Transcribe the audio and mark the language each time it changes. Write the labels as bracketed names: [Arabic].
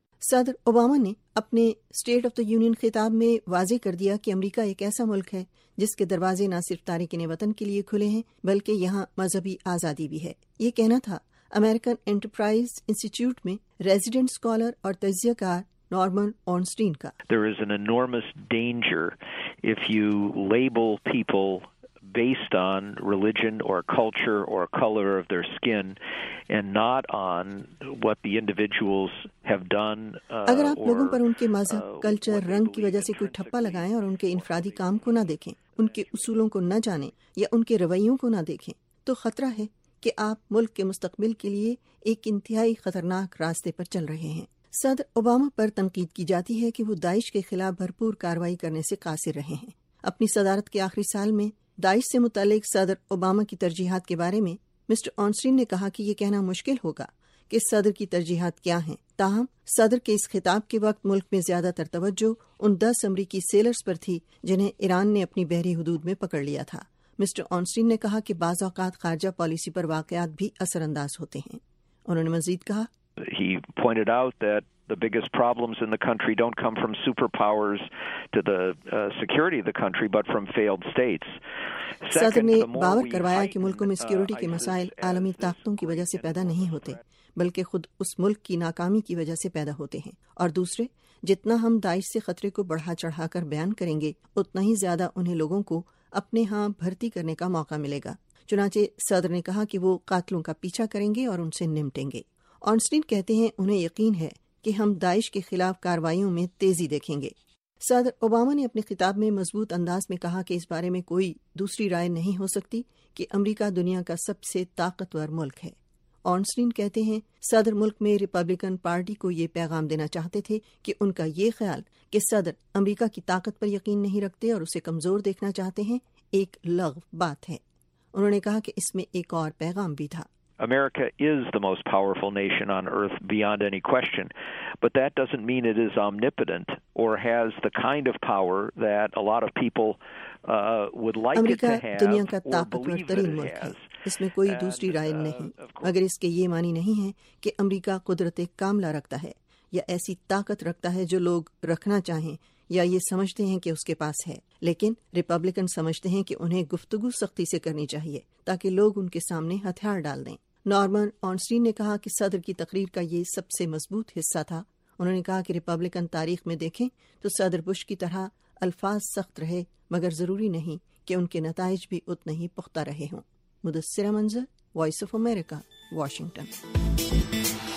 [Urdu] صدر اوباما نے اپنے اسٹیٹ آف دا یونین خطاب میں واضح کر دیا کہ امریکہ ایک ایسا ملک ہے جس کے دروازے نہ صرف تارکین وطن کے لیے کھلے ہیں بلکہ یہاں مذہبی آزادی بھی ہے۔ یہ کہنا تھا امریکن انٹرپرائز انسٹیٹیوٹ میں ریزیڈنٹ اسکالر اور تجزیہ کار نارمن اورنسٹین کا۔ [English] There is an enormous danger if you label people based on religion or culture or color of their skin and not on what the individuals have done [Urdu] اگر آپ لوگوں پر ان کے مذہب، culture, رنگ کی وجہ سے کوئی ٹھپا لگائیں اور ان کے انفرادی کام کو نہ دیکھیں، ان کے اصولوں کو نہ جانیں یا ان کے رویوں کو نہ دیکھیں، تو خطرہ ہے کہ آپ ملک کے مستقبل کے لیے ایک انتہائی خطرناک راستے پر چل رہے ہیں۔ صدر اوباما پر تنقید کی جاتی ہے کہ وہ داعش کے خلاف بھرپور کارروائی کرنے سے قاصر رہے ہیں۔ اپنی صدارت کے آخری سال میں داعش سے متعلق صدر اوباما کی ترجیحات کے بارے میں مسٹر آنسٹین نے کہا کہ یہ کہنا مشکل ہوگا کہ صدر کی ترجیحات کیا ہیں۔ تاہم صدر کے اس خطاب کے وقت ملک میں زیادہ تر توجہ ان 10 امریکی سیلرز پر تھی جنہیں ایران نے اپنی بحری حدود میں پکڑ لیا تھا۔ مسٹر آنسٹین نے کہا کہ بعض اوقات خارجہ پالیسی پر واقعات بھی اثر انداز ہوتے ہیں۔ انہوں نے مزید کہا [English] He pointed out that the biggest problems in the country don't come from superpowers to the security of the country but from failed states. [Urdu] صدر نے باور کروایا کہ ملکوں میں سیکیورٹی کے مسائل عالمی طاقتوں کی وجہ سے پیدا نہیں ہوتے بلکہ خود اس ملک کی ناکامی کی وجہ سے پیدا ہوتے ہیں، اور دوسرے جتنا ہم داعش سے خطرے کو بڑھا چڑھا کر بیان کریں گے اتنا ہی زیادہ انہیں لوگوں کو اپنے ہاں بھرتی کرنے کا موقع ملے گا۔ چنانچہ صدر نے کہا کہ وہ قاتلوں کا پیچھا کریں گے اور ان سے نمٹیں گے۔ آنسٹین کہتے ہیں انہیں یقین ہے کہ ہم داعش کے خلاف کاروائیوں میں تیزی دیکھیں گے۔ صدر اوباما نے اپنے خطاب میں مضبوط انداز میں کہا کہ اس بارے میں کوئی دوسری رائے نہیں ہو سکتی کہ امریکہ دنیا کا سب سے طاقتور ملک ہے۔ آنسٹین کہتے ہیں صدر ملک میں ریپبلکن پارٹی کو یہ پیغام دینا چاہتے تھے کہ ان کا یہ خیال کہ صدر امریکہ کی طاقت پر یقین نہیں رکھتے اور اسے کمزور دیکھنا چاہتے ہیں ایک لغو بات ہے۔ انہوں نے کہا کہ اس میں ایک اور پیغام بھی تھا۔ [English] America is the most powerful nation on earth beyond any question, but that doesn't mean it is omnipotent or has the kind of power that a lot of people would like America it to have. [Urdu] دنیا کا طاقتور ترین ملک ہے، اس میں کوئی دوسری رائے نہیں۔ اگر اس کے یہ معنی نہیں ہے کہ امریکہ قدرت کاملہ رکھتا ہے یا ایسی طاقت رکھتا ہے جو لوگ رکھنا چاہیں یا یہ سمجھتے ہیں کہ اس کے پاس ہے، لیکن ریپبلکن سمجھتے ہیں کہ انہیں گفتگو سختی سے کرنی چاہیے تاکہ لوگ ان کے سامنے ہتھیار ڈال دیں۔ نارمن آنسٹین نے کہا کہ صدر کی تقریر کا یہ سب سے مضبوط حصہ تھا۔ انہوں نے کہا کہ ریپبلکن تاریخ میں دیکھیں تو صدر بش کی طرح الفاظ سخت رہے، مگر ضروری نہیں کہ ان کے نتائج بھی اتنے ہی پختہ رہے ہوں۔ مدثرہ منظر، وائس آف امریکہ، واشنگٹن۔